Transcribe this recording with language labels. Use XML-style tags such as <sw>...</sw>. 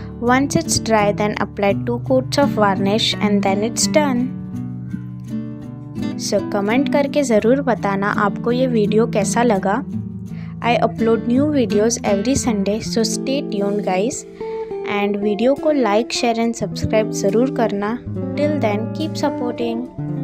<en>Once it's dry, then apply 2 coats of varnish and then it's done.</en> <hi>So comment करके जरूर बताना आपको ये वीडियो कैसा लगा।</hi> <en>I upload new videos every Sunday, so stay tuned guys. And</en> <hi>video को</hi> <en>like, share and subscribe</en> <hi>जरूर करना।</hi> <en>Till then, keep supporting.</en>